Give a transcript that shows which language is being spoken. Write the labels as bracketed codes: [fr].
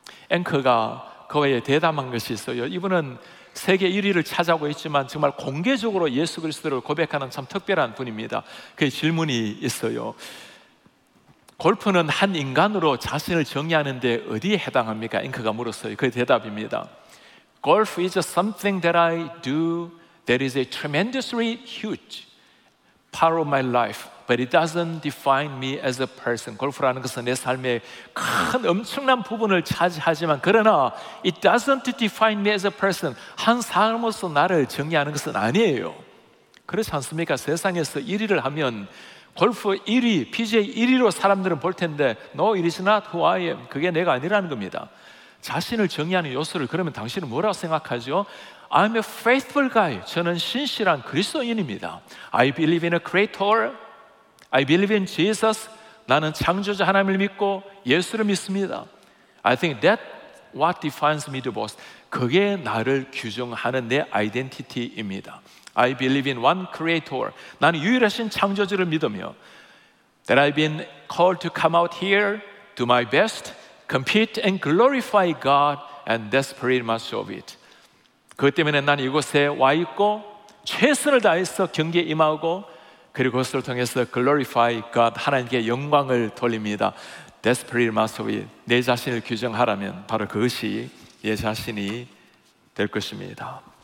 [ko] 앵커가 그와의 대담한 것이 있어요. 이분은 세계 1위를 차지하고 있지만 정말 공개적으로 예수 그리스도를 고백하는 참 특별한 분입니다. 그의 질문이 있어요. 골프는 한 인간으로 자신을 정의하는데 어디에 해당합니까? 앵커가 물었어요. 그의 대답입니다. [en] Golf is something that I do that is a tremendously huge part of my life, but it doesn't define me as a person. [ko] 골프라는 것은 내 삶의 큰 엄청난 부분을 차지하지만 그러나 [en] it doesn't define me as a person. [ko] 한 사람으로서 나를 정의하는 것은 아니에요. 그렇지 않습니까? 세상에서 1위를 하면 골프 1위, PGA 1위로 사람들은 볼 텐데 [en] No, it is not who I am. [ko] 그게 내가 아니라는 겁니다. 자신을 정의하는 요소를 그러면 당신은 뭐라고 생각하죠? [en] I'm a faithful guy. [ko] 저는 신실한 그리스도인입니다. [en] I believe in a creator. I believe in Jesus. [ko] 나는 창조주 하나님을 믿고 예수를 믿습니다. [en] I think that what defines me the most. [ko] 그게 나를 규정하는 내 아이덴티티입니다. [en] I believe in one creator. [ko] 나는 유일하신 창조주를 믿으며 [en] that I've been called to come out here, do my best, compete and glorify God, and that's pretty much of it. [ko] 그것 때문에 나는 이곳에 와 있고 최선을 다해서 경기에 임하고 그리고 그것을 통해서 [en] glorify God, [ko] 하나님께 영광을 돌립니다. [en] Desperate must be, [ko] 내 자신을 규정하라면 바로 그것이 내 자신이 될 것입니다.